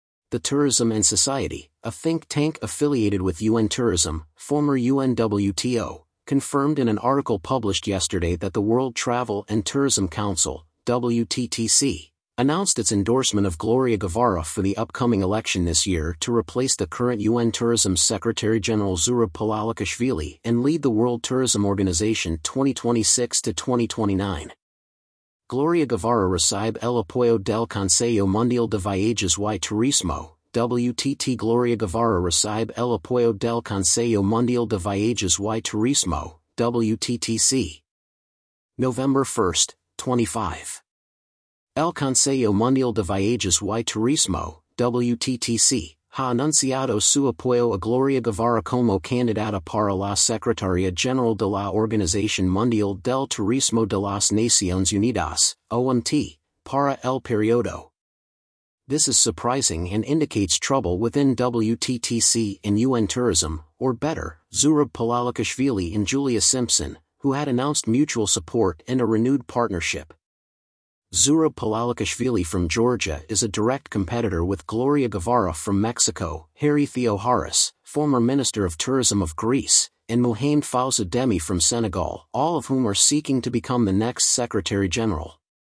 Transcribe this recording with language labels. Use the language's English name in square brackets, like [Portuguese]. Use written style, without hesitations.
[English] The Tourism and Society, a think tank affiliated with UN Tourism, former UNWTO, confirmed in an article published yesterday that the World Travel and Tourism Council, WTTC, announced its endorsement of Gloria Guevara for the upcoming election this year to replace the current UN Tourism Secretary General Zurab Palalakashvili and lead the World Tourism Organization 2026-2029. [Spanish] Gloria Guevara recibe el apoyo del Consejo Mundial de Viajes y Turismo, WTT. Gloria Guevara recibe el apoyo del Consejo Mundial de Viajes y Turismo, WTTC. [English] November 1, [Spanish] 25. El Consejo Mundial de Viajes y Turismo, WTTC, ha anunciado su apoyo a Gloria Guevara como candidata para la Secretaría General de la Organización Mundial del Turismo de las Naciones Unidas, OMT, para el periodo. [English] This is surprising and indicates trouble within WTTC and UN Tourism, or better, Zurab Palalakashvili and Julia Simpson, who had announced mutual support and a renewed partnership. Zurab Palalakashvili from Georgia is a direct competitor with Gloria Guevara from Mexico, Harry Theoharis, former Minister of Tourism of Greece, and Mohamed Fawza Demi from Senegal, all of whom are seeking to become the next Secretary General.